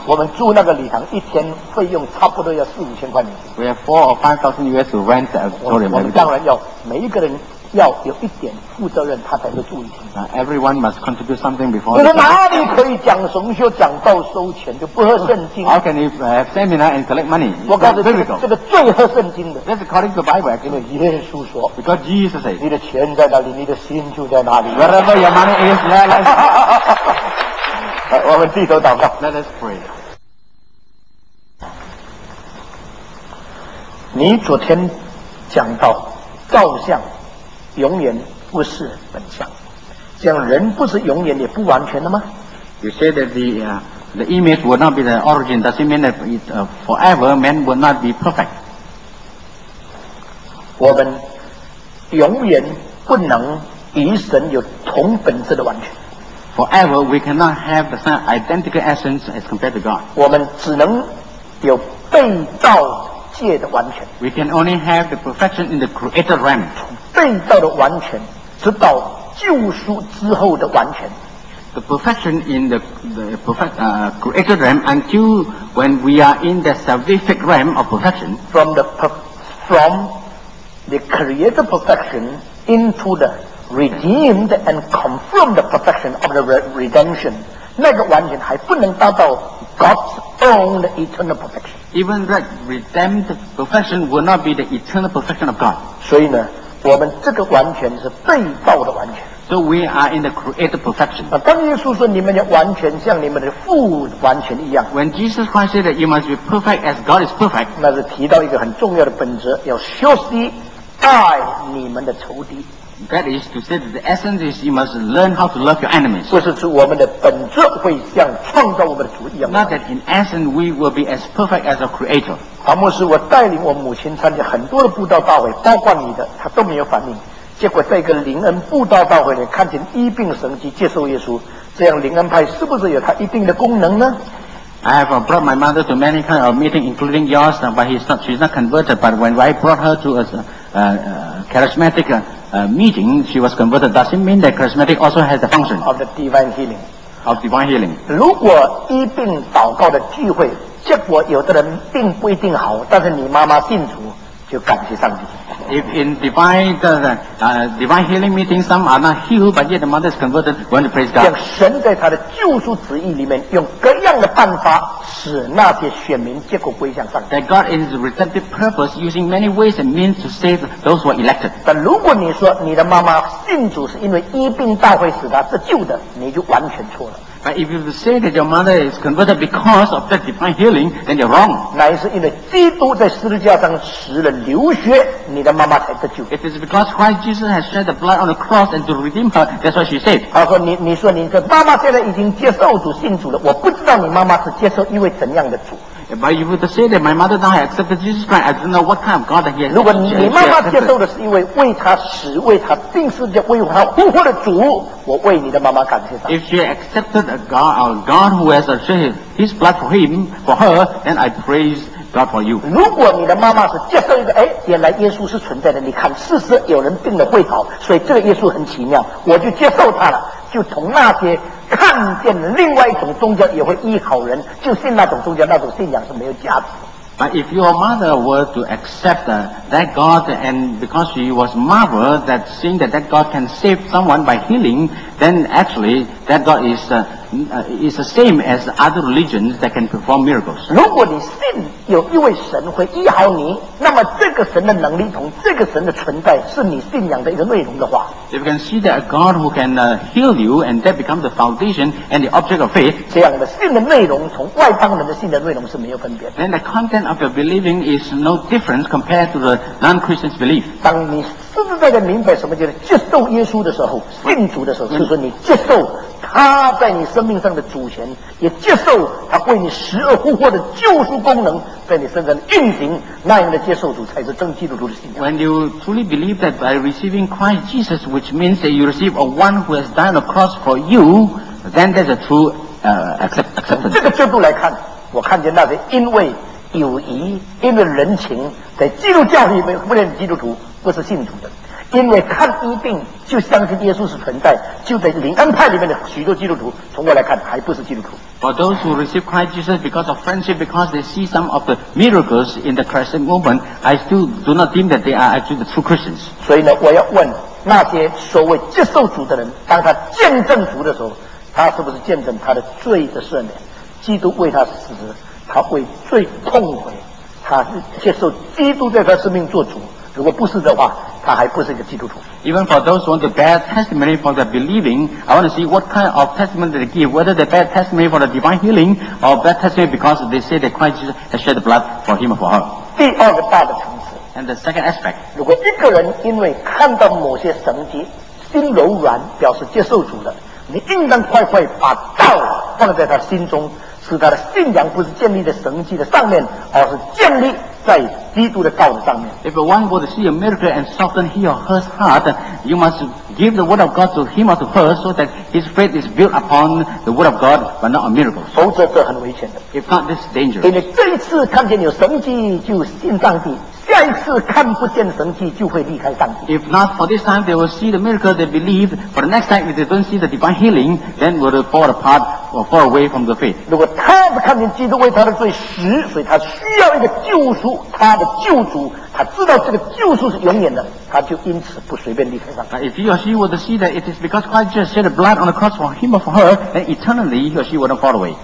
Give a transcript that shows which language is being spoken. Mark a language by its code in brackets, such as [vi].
[zh] 我们住那个礼堂一天费用差不多要4000-5000美金。 [en] We have $4,000 or $5,000 US to rent the auditorium. [zh] 我们当然要每一个人要有一点负责任，他才会住一天。 [en] Everyone must contribute something before. [zh] 你哪里可以讲神学讲到收钱就不合圣经 [en] ？How can you have seminar and collect money? [zh] 我告诉你，这个最合圣经的。 [en] That's according to Bible. [zh] 因为耶稣说 [en] ，Because Jesus said, [zh] 你的钱在哪里，你的心就在哪里。 [en] Wherever your money is, there is. [zh] 我们低头祷告。 [en] Let us pray. [zh] 你昨天讲到照相永远不是本相，这样人不是永远也不完全的吗 [en] ？You say that the image will not be the origin. Does it mean that forever man will not be perfect? [zh] 我们永远不能与神有同本质的完全。 [en] Forever, we cannot have the same identical essence as compared to God. [zh] 我们只能有被造界的完全。 [en] We can only have the perfection in the created realm. [zh] 被造的完全，直到救赎之后的完全。 [en] The perfection in the created realm until when we are in the salvific realm of perfection. From the created perfection into the redeemed and confirmed the perfection of the redemption, [zh] 那个完全还不能达到 [en] God's own eternal perfection. Even that redeemed perfection will not be the eternal perfection of God. [zh] 所以呢，我们这个完全是被造的完全。 [en] So we are in the created perfection. [zh] 当耶稣说你们要完全像你们的父完全一样。 [en] When Jesus Christ said that you must be perfect as God is perfect. [zh] 那是提到一个很重要的本质，要休息爱你们的仇敌。 [en] That is to say that the essence is you must learn how to love your enemies. [zh] 不是指我们的本质会像创造我们的主一样。 [en] Not that in essence we will be as perfect as a creator. [zh] 黄牧师，我带领我母亲参加很多的布道大会，包括你的，她都没有反应。结果在一个灵恩布道大会里，看见医病神迹，接受耶稣，这样灵恩派是不是有它一定的功能呢？ [en] I have brought my mother to many kind of meeting, including yours, but she's not converted. But when I brought her to a charismatic meeting, she was converted. Does it mean that charismatic also has the function of the divine healing? Of divine healing. [zh] 如果医病祷告的聚会，结果有的人病不一定好，但是你妈妈信主，就感谢上帝。 [en] If in divine healing meeting some are not healed but yet the mother is converted, we want to praise God. [zh] 让神在他的救赎旨意里面用各样的办法使那些选民结果归向上帝。 [en] That God in His redemptive purpose using many ways and means to save those who are elected. [zh] 但如果你说你的妈妈信主是因为医病大会使她自救的，你就完全错了。 [en] But if you say that your mother is converted because of that divine healing, then you're wrong. [zh] 乃是因为基督在十字架上使了流血，你的妈妈才得救。 [en] It is because Christ Jesus has shed the blood on the cross and to redeem her. That's what she said. [zh] 他说你说你的妈妈现在已经接受主信主了，我不知道你妈妈是接受一位怎样的主。 [en] But you would say that my mother now has accepted Jesus Christ. I don't know what kind of God that he has. [zh] 如果你妈妈接受的是因为为他死、为他定十字架、为他复活的主，我为你的妈妈感谢他。 [en] If she accepted a God, a God who has shed His blood for him, for her, then I praise God for you. [zh] 如果你的妈妈是接受一个，原来耶稣是存在的，你看事实有人病了会好，所以这个耶稣很奇妙，我就接受他了，就从那些。看见另外一种宗教也会医好人，就信那种宗教，那种信仰是没有价值的。 [en] But if your mother were to accept that God, and because she was marvel that seeing that God can save someone by healing, then actually that God is the same as other religions that can perform miracles. [zh] 如果你信有一位神会医好你，那么这个神的能力同这个神的存在是你信仰的一个内容的话。 [en] If you can see that a God who can heal you, and that becomes the foundation and the object of faith, [zh] 这样的信的内容从外邦人的信的内容是没有分别的。 [en] Then the content of your believing is no different compared to the non-Christian's belief. [zh] 当你实实在在明白什么叫接受耶稣的时候，信主的时候，就是说你接受。他在你生命上的主权，也接受他为你十恶不赦的救赎功能在你身上的运行，那样的接受主才是真基督徒的信仰。 [en] When you truly believe that by receiving Christ Jesus, which means that you receive a one who has died on a cross for you, then there's a true acceptance. [zh] 从这个角度来看，我看见那些因为友谊，因为人情，在基督教里面不认基督徒，不是信徒的，因为看医病就相信耶稣是存在，就在灵恩派里面的许多基督徒，从我来看还不是基督徒。 [en] For those who receive Christ Jesus because of friendship, because they see some of the miracles in the Christian movement, I still do not deem that they are actually the true Christians. [zh] 所以呢，我要问那些所谓接受主的人，当他见证主的时候，他是不是见证他的罪的赦免？基督为他死，他会最痛悔，他接受基督在他生命做主。如果不是的话，他还不是一个基督徒。 [en] Even for those who want to bear testimony for the believing, I want to see what kind of testimony they give. Whether they bear testimony for the divine healing or bear testimony because they say that Christ has shed blood for him or for her. [zh] 第二个大的层次。 [en] And the second aspect. [zh] 如果一个人因为看到某些神迹，心柔软，表示接受主的，你应当快快把道放在他心中，使他的信仰不是建立在神迹的上面，而是建立在基督的道的上面。 [en] If one would see a miracle and soften his or her heart, you must give the word of God to him or to her so that his faith is built upon the word of God, but not a miracle. [zh] 否则这很危险的。 [en] If not, this is dangerous. [zh] 因为这一次看见有神迹就信上帝，下一次看不见神迹就会离开上帝。 [en] If not, for this time they will see the miracle they believe, for the next time if they don't see the divine healing, then will they fall apart or fall away from the faith. [zh] 如果他不看见基督为他的罪死，所以他需要一个救赎，他的救主，他知道这个救赎是永远的，他就因此不随便离开上帝。 [en] If he or she would see that it is because Christ just shed blood on the cross for him or for her, then eternally he or she wouldn't fall away.